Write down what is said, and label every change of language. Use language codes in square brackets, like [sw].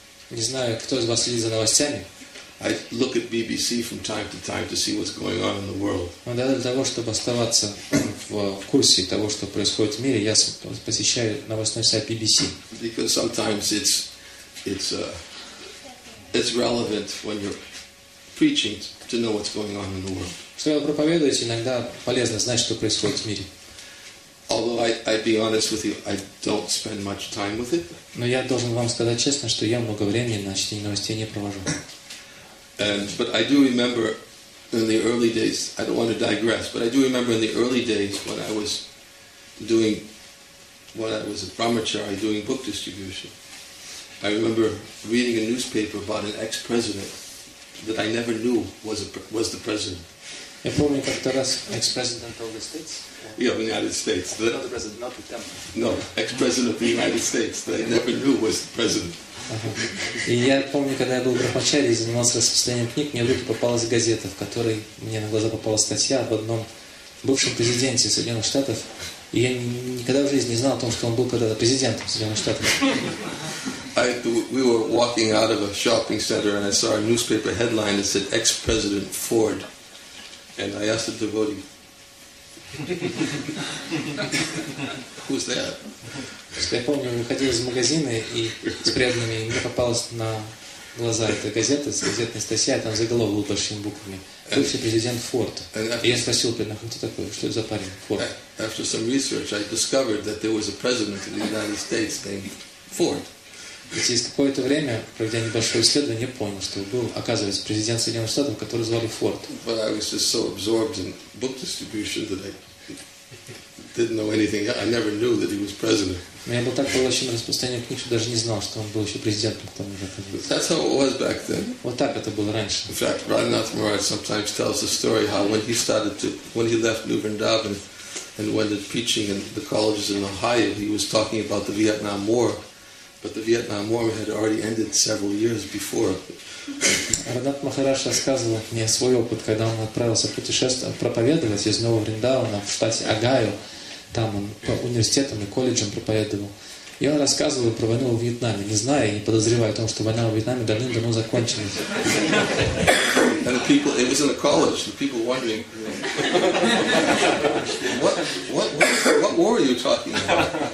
[ru] Не знаю, кто из вас следит за новостями. [en] I look at BBC from time to time to see what's going on in the world. [ru] Но для того, чтобы оставаться в курсе того, что происходит в мире, я посещаю новостной сайт BBC. [en] Because sometimes it's relevant when you're preaching to know what's going on in the world. [ru] Что я проповедую, иногда полезно знать, что происходит в мире. [en] Although I'd be honest with you, I don't spend much time with it. [ru] Но я должен вам сказать честно, что я много времени на чтение новостей не провожу. [en] But I do remember in the early days. I don't want to digress, but I do remember in the early days when I was a brahmachari doing book distribution. I remember reading a newspaper about an ex-president that I never knew was the president. [ru] Я помню, как-то раз экс-президент [en] United States. Not the president, not the temple. No, ex-president of the United States that I never knew was the president. [ru] И я помню, когда я был брахмачари и занимался распространением книг, мне вдруг попалась газета, в которой мне на глаза попалась статья об одном бывшем президенте Соединенных Штатов. И я никогда в жизни не знал о том, что он был когда-то президентом Соединенных Штатов. [en] We were walking out of a shopping center and I saw a newspaper headline that said ex-president Ford. And I asked the devotee, "Who's that?" [ru] Я помню, выходил из магазина и с преданными мне попалась на глаза этой газеты, газетная статья, там заголовок был большими буквами. Бывший президент Форд. И я спросил Пена, кто такой, что это за парень, Форд. [en] After some research, I discovered that there was a president of the United States named Ford. [ru] И через какое-то время, проведя небольшое исследование, я понял, что был, оказывается, президент Соединенных Штатов, который звали Форд. [en] But I was just so absorbed in book distribution that I didn't know anything. I never knew that he was president. [ru] Я был так поглощен распространением книг, что даже не знал, что он был еще президентом к тому же. [en] That's how it was back then. [ru] Вот так это было раньше. [en] In fact, Radhanath Maharaj sometimes tells the story how when he left New Vrindavan and went to preaching in the colleges in Ohio, he was talking about the Vietnam War. But the Vietnam War had already ended several years before. [ru] Радханатх Махарадж рассказывал мне свой опыт, когда он отправился путешествовать, проповедовать из Нового Вриндавана в штате Огайо. Там он по университетам и колледжам проповедовал. И он рассказывал про войну во Вьетнаме, не зная и не подозревая о том, что война во Вьетнаме давным-давно закончилась. [en] And people, it was in a college, and people wondering, what war are you talking about?